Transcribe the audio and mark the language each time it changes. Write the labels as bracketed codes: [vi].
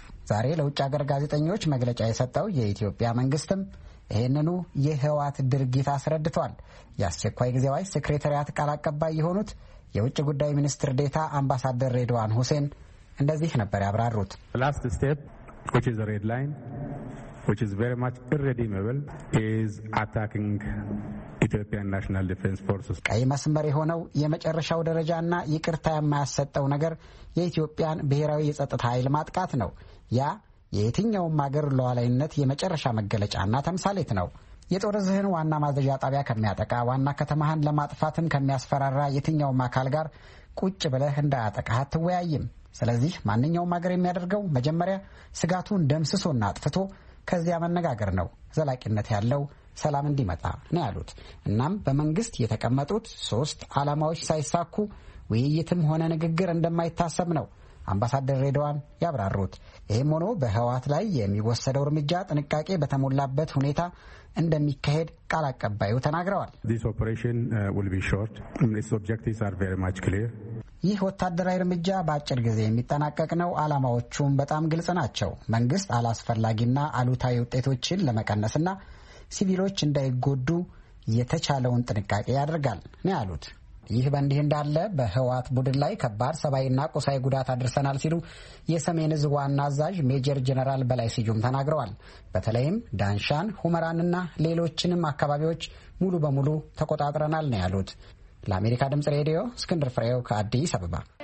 [am] ዛሬ ለውጭ ሀገር ጋዜጠኞች መግለጫ የሰጠው የኢትዮጵያ መንግስትም ይህንኑ የህወሓት ድርጊት አስረድቷል። የአስቸኳይ ጊዜ አዋጅ ሴክሬታሪያት ቃል አቀባይ የሆኑት የውጭ ጉዳይ ሚኒስትር ዴታ አምባሳደር ሬድዋን ሁሴን እንደዚህ ነበር ያብራሩት። [en] last step which is a red line which is very much irredeemable is attacking Ethiopian National Defense Forces. [am] ቀይ መስመር የሆነው የመጨረሻው ደረጃና ይቅርታ የማያሰጠው ነገር የኢትዮጵያን ብሔራዊ የጸጥታ ኃይል ማጥቃት ነው። ያ የየትኛውም ሀገር ሉዓላዊነት የመጨረሻ መገለጫና ተምሳሌት ነው። የጦር ዘህን ዋና ማዘዣ ጣቢያ ከሚያጠቃ ዋና ከተማህን ለማጥፋትም ከሚያስፈራራ የትኛውም አካል ጋር ቁጭ ብለህ እንዳያጠቃህ አትወያይም። ስለዚህ ማንኛውም ሀገር የሚያደርገው መጀመሪያ ስጋቱን ደምስሶና አጥፍቶ ከዚያ መነጋገር ነው፣ ዘላቂነት ያለው ሰላም እንዲመጣ ነው ያሉት። እናም በመንግስት የተቀመጡት 3 ዓላማዎች ሳይሳኩ ውይይትም ሆነ ንግግር እንደማይታሰብ ነው አምባሳደር ሬድዋን ያብራሩት። ይህም ሆኖ በህዋት ላይ የሚወሰደው እርምጃ ጥንቃቄ በተሞላበት ሁኔታ እንደሚካሄድ ቃል አቀባዩ ተናግረዋል። [en] This operation will be short. Its objectives are very much clear. [am] ይህ ወታደራዊ እርምጃ በአጭር ጊዜ የሚጠናቀቅ ነው። ዓላማዎቹም በጣም ግልጽ ናቸው። መንግስት አላስፈላጊና አሉታዊ ውጤቶችን ለመቀነስና ሲቪሎች እንዳይጎዱ የተቻለውን ጥንቃቄ ያደርጋል ነው ያሉት። ይህ በእንዲህ እንዳለ በህዋት ቡድን ላይ ከባድ ሰብአዊና ቁሳዊ ጉዳት አድርሰናል ሲሉ የሰሜን እዝ ዋና አዛዥ ሜጀር ጀነራል በላይ ስዩም ተናግረዋል። በተለይም ዳንሻን፣ ሁመራንና ሌሎችንም አካባቢዎች ሙሉ በሙሉ ተቆጣጥረናል ነው ያሉት። ለአሜሪካ ድምጽ ሬዲዮ እስክንድር ፍሬው ከአዲስ አበባ።